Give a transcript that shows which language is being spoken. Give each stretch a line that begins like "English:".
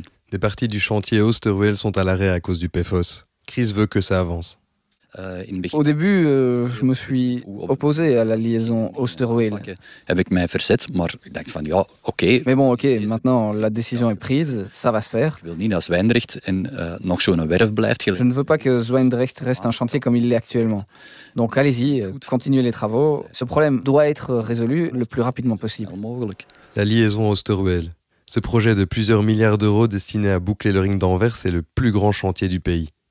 French: Des parties du chantier Oosterweel sont à l'arrêt à cause du PFOS. Chris veut que ça avance. Au début, je me suis opposé à la liaison Oosterweel. Avec mes versets,
Dutch: maar ik dacht van ja, oké.
French: Mais bon, oké, maintenant la décision est prise, ça va se faire.
Dutch: Ik wil niet dat Zwijndrecht en nog zo'n werf blijft.
French: Je ne veux pas que Zwijndrecht reste un chantier comme il l'est actuellement. Donc allez-y, continuez les travaux. Ce problème doit être résolu le plus rapidement possible. La liaison Oosterweel. Ce projet de plusieurs milliards d'euros destiné à boucler le ring d'Anvers est le plus grand chantier du pays.